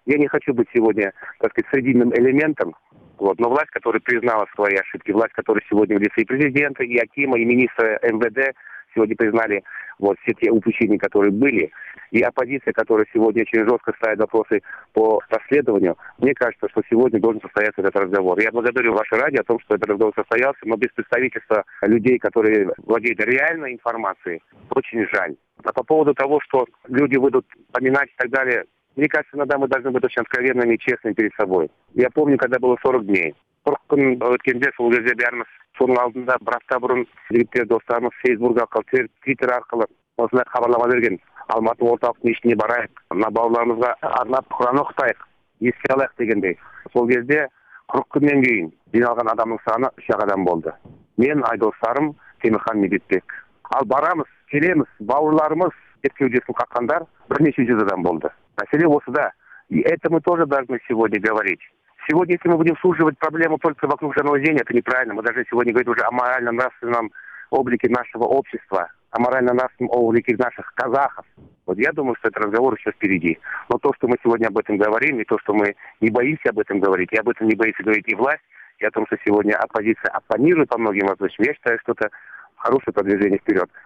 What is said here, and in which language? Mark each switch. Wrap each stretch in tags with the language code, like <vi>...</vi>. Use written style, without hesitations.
<ru>Я не хочу быть сегодня, так сказать, срединным элементом, вот, но власть, которая признала свои ошибки, власть, которая сегодня в лице и президента, и Акима, и министра МВД сегодня признали вот все те упущения, которые были, и оппозиция, которая сегодня очень жестко ставит вопросы по расследованию, мне кажется, что сегодня должен состояться этот разговор. Я благодарю ваше радио о том, что этот разговор состоялся, но без представительства людей, которые владеют реальной информацией, очень жаль. А по поводу того, что люди выйдут поминать и так далее, мне кажется, иногда мы должны быть очень откровенными и честными перед собой. Я помню, когда было 40 дней.</ru> <kk>Оркун өткендес ол кезде бәріміз соның алдында бір апта бұрын жігіттер достарымыз фейсбук арқылы твиттер арқылы осындай хабарлама берген алматы орталықтың ішіне барайық мына бауырларымызға арнап құран оқытайық еске алайық дегендей сол кезде 40 күннен кейін жиналған адамның саны 3 адам болды мен айдостарым темірхан медетбек ал барамыз келеміз бауырларымыз деп кеудесін қаққандар бірнеше жүз адам болды мәселе осыда и это мы тоже должны сегодня говорить.</kk> <ru>Сегодня, если мы будем суживать проблему только вокруг жирного зрения, это неправильно. Мы даже сегодня говорим уже о морально-нравственном облике нашего общества, о морально-нравственном облике наших казахов. Вот я думаю, что этот разговор еще впереди. Но то, что мы сегодня об этом говорим, и то, что мы не боимся об этом говорить, и об этом не боится говорить и власть, и о том, что сегодня оппозиция оппонирует по многим вопросам, я считаю, что это хорошее продвижение вперед.</ru>